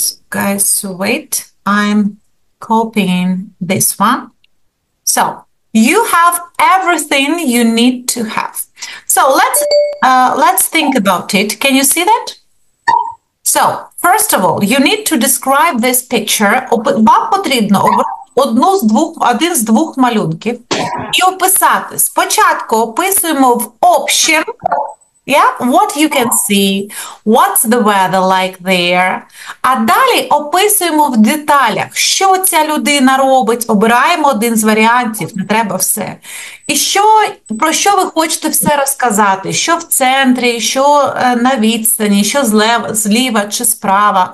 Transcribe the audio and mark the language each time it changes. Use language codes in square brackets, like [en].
[en] Guys, wait, I'm copying this one. So you have everything you need to have. So let's think about it. Can you see that? So first of all, you need to describe this picture. [uk] Вам потрібно один з двох малюнків і описати. Спочатку описуємо в общем, [en] What you can see, what's the weather like there? [uk] А далі описуємо в деталях, що ця людина робить. Обираємо один з варіантів, не треба все. І що, про що ви хочете все розказати? Що в центрі, що на відстані, що злева, зліва чи справа?